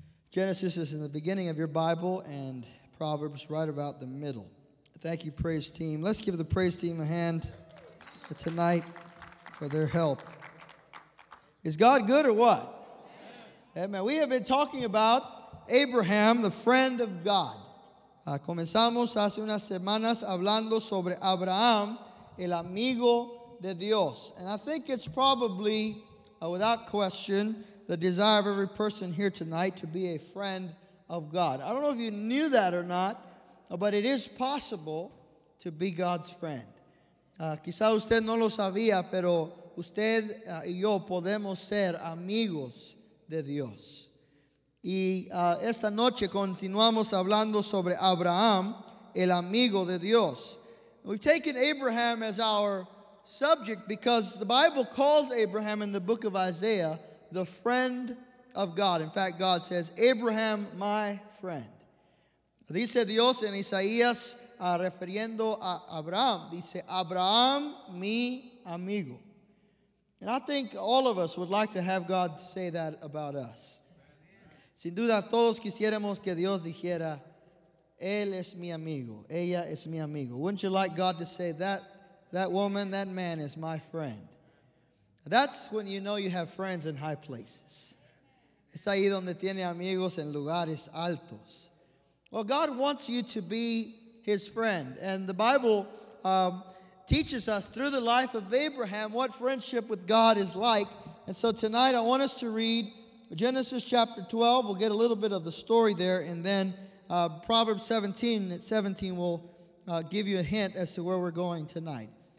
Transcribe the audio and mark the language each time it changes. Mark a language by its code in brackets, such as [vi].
[en] Genesis is in the beginning of your Bible, and Proverbs right about the middle. Thank you, praise team. Let's give the praise team a hand tonight for their help. Is God good or what? Amen. Amen. We have been talking about Abraham, the friend of God. [es] Comenzamos hace unas semanas hablando sobre Abraham, el amigo de Dios. [en] And I think it's probably, without question, the desire of every person here tonight to be a friend of God. I don't know if you knew that or not, but it is possible to be God's friend. [es] Quizá usted no lo sabía, pero usted y yo podemos ser amigos de Dios. Y esta noche continuamos hablando sobre Abraham, el amigo de Dios. [en] We've taken Abraham as our subject because the Bible calls Abraham in the book of Isaiah the friend of God. In fact, God says, Abraham, my friend. [es] Dice Dios en Isaías, refiriendo a Abraham, dice, Abraham, mi amigo. [en] And I think all of us would like to have God say that about us. [es] Sin duda, todos quisiéramos que Dios dijera, Él es mi amigo, ella es mi amigo. [en] Wouldn't you like God to say, that woman, that man is my friend? That's when you know you have friends in high places. [es] Es ahí donde tiene amigos en lugares altos. [en] Well, God wants you to be his friend. And the Bible teaches us through the life of Abraham what friendship with God is like. And so tonight I want us to read Genesis chapter 12. We'll get a little bit of the story there. And then Proverbs 17 will give you a hint as to where we're going tonight.